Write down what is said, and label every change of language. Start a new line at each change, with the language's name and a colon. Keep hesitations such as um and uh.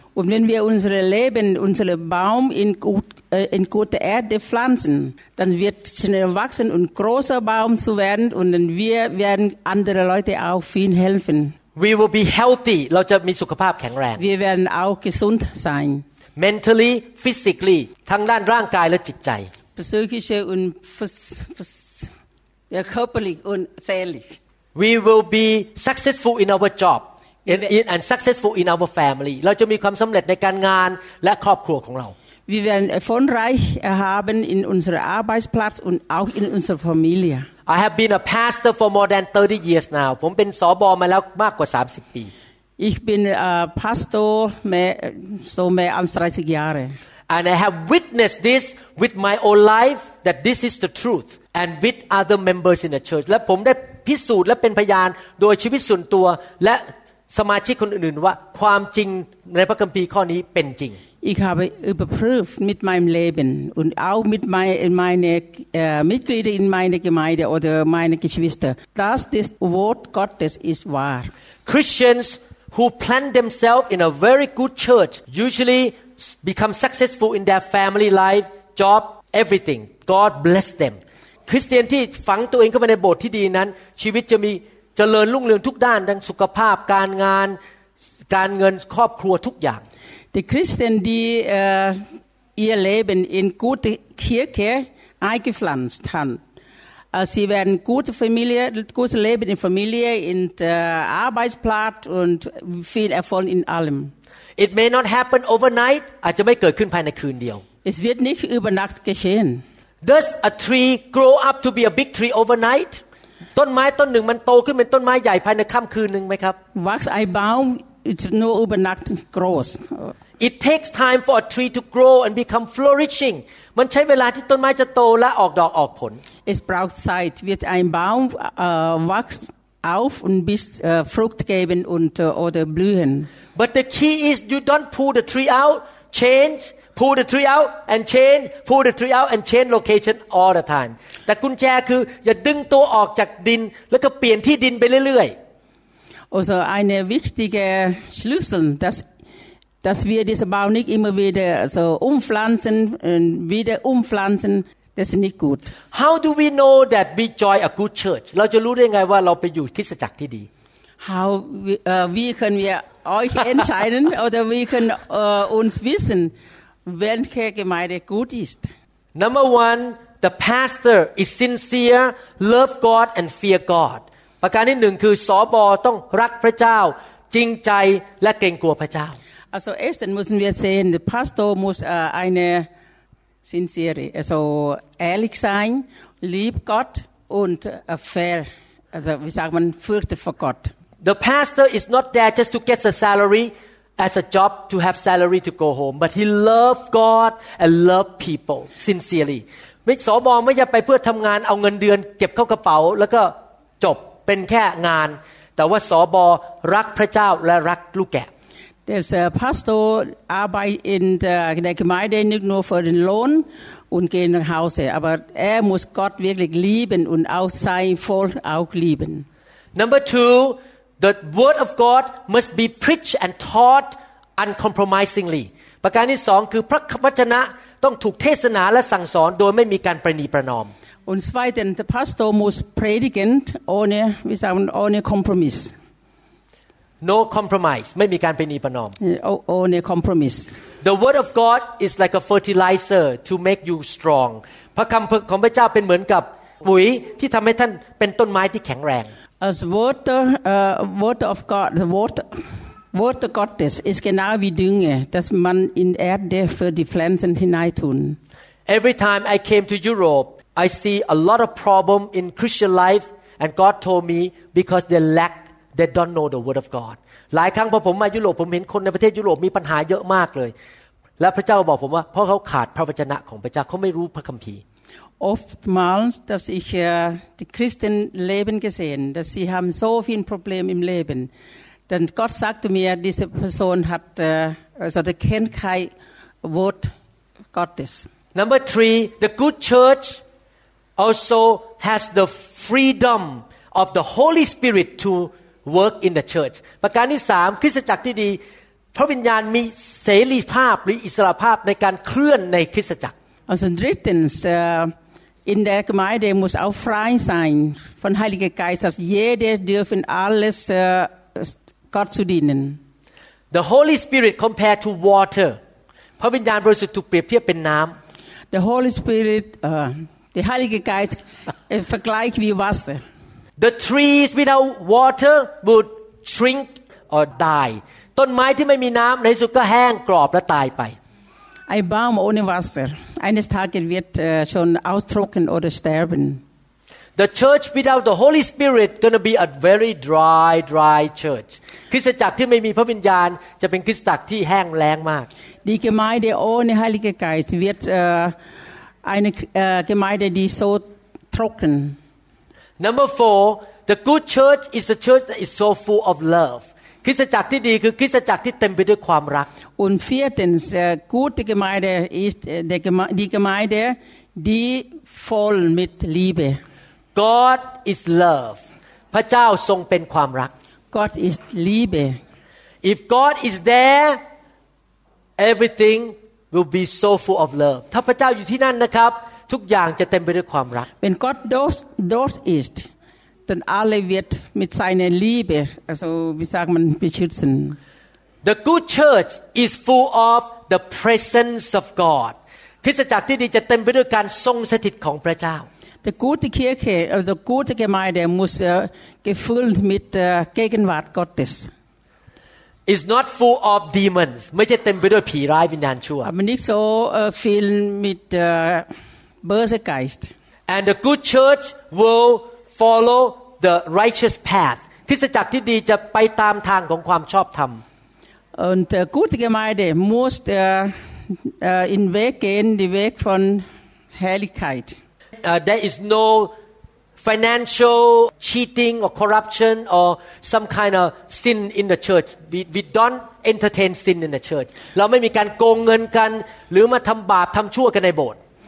German: Und wenn wir unser Leben, unseren Baum in, gut, äh, in gute Erde pflanzen, dann wird schnell wachsen und großer Baum zu werden und dann wir werden andere Leute auch viel helfen.
English: we will be healthy
Thai: เราจะมีสุขภาพแข็งแรง
German: Wir werden auch gesund sein,
English: mentally physically
Thai: ทั้งด้านร่างกายและจิตใจ
German: psychische und phys- phys- ja, körperlich und seelisch.
English: we will be successful in our job and, and successful in our family
Thai: เราจะมีความสำเร็จในการงานและครอบครัวของเรา
German: Wir werden erfolgreich haben in unserem Arbeitsplatz und auch in unserer Familie.
English: I have been a pastor for more than 30 years now
Thai: ผมเป็นสอบอมาแล้วมากกว่า 30 ปี
German: Ich bin äh, Pastor mehr, so mehr als 30 Jahre.
English: and I have witnessed this with my own life that this is the truth and with other members in the church
Thai: และผมได้พิสูจน์และเป็นพยานโดยชีวิตส่วนตัวและสมาชิกคนอื่นๆว่าความจริงในพระคัมภีร์ข้อนี้เป็นจริง
German: Ich habe überprüft mit meinem Leben und auch mit meinen meine, äh, Mitgliedern in meiner Gemeinde oder meine Geschwister, dass das Wort Gottes ist wahr.
English: Christians who plant themselves in a very good church usually become successful in their family life job everything God bless them
Thai: คริสเตียนที่ฝังตัวเองเข้าไปในโบสถ์ที่ดีนั้น ชีวิตจะมี เจริญรุ่งเรืองทุกด้านทั้งสุขภาพการงาน การเงินครอบครัวทุกอย่าง
German: De Christen die äh, ihr Leben in gute Kirche eingepflanzt haben, äh, sie werden gute Familie, gutes Leben in Familie, in der Arbeitsplatz und viel Erfolg in allem.
English: It may not happen overnight
Thai: อาจจะไม่เกิดขึ้นภายในคืนเดียว
German: Es wird nicht über Nacht geschehen.
English: Does a tree grow up to be a big tree overnight
Thai: ต้นไม้ต้นหนึ่งมันโตขึ้นเป็นต้นไม้ใหญ่ภายในค่ำคืนหนึ่งไหมครับ
German: Wächst ein Baum ist nur über Nacht groß.
English: It takes time for a tree to grow and become flourishing
Thai: มันใช้เวลาที่ต้นไม้จะโตและออกดอกออกผล
German: Es braucht Zeit, wird ein Baum äh, wächst auf und bis äh, Frucht geben und äh, oder blühen.
English: But the key is you don't pull the tree out, change, pull the tree out and change, pull the tree out and change location all the time.
Thai: แต่กุญแจคืออย่าดึงตัวออกจากดิน แล้วก็เปลี่ยนที่ดินไปเรื่อย
German: Also eine wichtige Schlüssel, dass, dass wir diesen Baum nicht immer wieder so umpflanzen und wieder umpflanzen, das ist nicht gut.
English: ๆ How do we know that we join a good church?
Thai: เราจะรู้ได้ไงว่าเราไปอยู่คริสตจักรที่ดี
English: How,
German: wie- äh, wie können wir euch entscheiden oder wie können äh, uns wissen, welche Gemeinde gut ist?
English: Number one, the pastor is sincere, love God and fear God.
Thai: ประการที่หนึ่งคือสอบอต้องรักพระเจ้า จริงใจและเกรงกลัวพระเจ้า
German: Also erstens müssen wir sehen, der Pastor muss äh, eine sincere, also ehrlich sein, lieb Gott und äh, fair. Also wie sagt man, fürchte vor Gott.
English: The pastor is not there just to get a salary as a job to have salary to go home, but he loves God and love people sincerely.
Thai: ไม่สอบอไม่จะไปเพื่อทำงานเอาเงินเดือน เก็บเข้ากระเป๋า แล้วก็จบเป็นแค่งาน แต่ว่าสอบอรักพระเจ้าและรักลูกแกะ
German: Der äh, Pastor arbeitet in der, der Gemeinde nicht nur für den Lohn und geht nach Hause, aber er muss Gott wirklich lieben und auch sein Volk auch lieben.
English: Number two, the word of God must be preached and taught uncompromisingly.
Thai: ประการที่สองคือพระวจนะต้องถูกเทศนาและสั่งสอนโดยไม่มีการประนีประนอม
German: Und zweitens, der Pastor muss predigen ohne, wie sagen, ohne Kompromiss.
Thai: no compromise ไม่มีการประนีประนอม
German: Äh, oh- Ohne Kompromiss.
English: the word of God is like a fertilizer to make you strong
Thai: พระคำของพระเจ้าเป็นเหมือนกับปุ๋ยที่ทำให้ท่านเป็นต้นไม้ที่แข็งแรง
German: Als Wort, äh, Wort of Gott, Wort, Worte Gottes ist genau wie Dünge, dass man in Erde für die Pflanzen hineintun.
English: every time I came to Europe I see a lot of problem in Christian life and God told me because they lack they don't know the word of God
Thai: หลายครั้งพอผมมายุโรปผมเห็นคนในประเทศยุโรปมีปัญหาเยอะมากเลย และพระเจ้าบอกผมว่าเพราะเขาขาดพระวจนะของพระเจ้าเขาไม่รู้พระคัมภีร์
German: oftmals, dass ich äh, die Christen leben gesehen, dass sie haben so viel Problem im Leben. Denn Gott sagte mir, diese Person hat, äh, also der kennt kein Wort Gottes.
English: Number three, the good church also has the freedom of the Holy Spirit to work in the church.
Thai: ประการที่สามคริสตจักรที่ดี พระวิญญาณมีเสรีภาพหรืออิสระภาพในการเคลื่อนในคริสตจักร
German: Also drittens, äh, in der Gemeinde muss auch frei sein von Heiliger Geist, dass jeder dürfen alles äh, Gott zu dienen.
English: The Holy Spirit compared to water
Thai: พระวิญญาณบริสุทธิ์ถูกเปรียบเทียบเป็นน้
German: Der Holy Spirit, äh, der Heilige Geist, äh, vergleicht wie Wasser.
Thai: ำ
English: The trees without water would shrink or die
Thai: ต้นไม้ที่ไม่มีน้ำในที่สุดก็แห้งกรอบและตายไป
German: Ein Baum ohne Wasser. Eines Tages wird äh, schon austrocknen oder sterben.
English: The church without the Holy Spirit gonna be a very dry dry church
Thai: คริสตจักรที่ไม่มีพระวิญญาณจะเป็นคริสตจักรที่แห้งแล้งมาก
German: Die Gemeinde ohne Heiliger Geist wird äh, eine äh, Gemeinde, die so trocken.
English: Number four the good church is a church that is so full of love
Thai: คริสตจักรที่ดีคือคริสตจักรที่เต็มไปด้วยความรัก
German: Und viertens, äh, gute Gemeinde ist äh, der Geme die Gemeinde, die voll mit Liebe.
English: God is love
Thai: พระเจ้าทรงเป็นความรัก
German: Gott ist Liebe.
English: if God is there everything will be so full of love
Thai: ถ้าพระเจ้าอยู่ที่นั่นนะครับ ทุกอย่างจะเต็มไปด้วยความรัก
German: Wenn Gott dort, dort ist, denn alle wird mit seiner Liebe, also wie sagt man, beschützen.
English: The good church is full of the presence of God
Thai: คริสตจักรที่ดีจะเต็มไปด้วยการทรงสถิตของพระเจ้า
German: Die gute Kirche, also gute Gemeinde muss äh, gefüllt mit der Gegenwart Gottes.
English: is not full of demons
Thai: ไม่ใช่เต็มไปด้วยผีร้ายวิญญาณชั่ว
German: Aber nicht so äh, viel mit äh, böse Geist.
English: and the good church will follow the righteous path
Thai: คริสตจักรที่ดีจะไปตามทางของความชอบธรรม
German: Und äh, gute Gemeinde muss äh, äh, in Weg gehen, den Weg von Herrlichkeit.
English: Uh, there is no financial cheating or corruption or some kind of sin in the church we we don't entertain sin in the church
Thai: เราไม่มีการโกงเงินกัน หรือมาทำบาปทำชั่วกันในโบสถ์